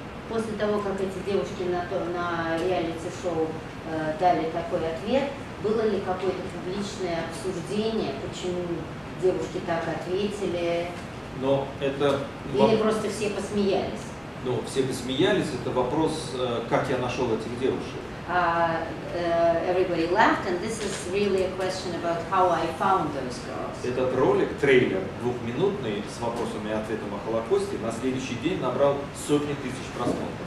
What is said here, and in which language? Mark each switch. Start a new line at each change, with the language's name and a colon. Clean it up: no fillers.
Russian: После того, как эти девушки на реалити-шоу дали такой ответ, было ли какое-то публичное обсуждение, почему девушки так ответили? Но это... Или просто все посмеялись? Ну, все посмеялись, это вопрос, как я нашел этих девушек.
English: Everybody laughed, and this is really a question about how I found those girls.
Russian: Этот ролик, трейлер, двухминутный, с вопросами и ответом о Холокосте, на следующий день набрал сотни тысяч просмотров.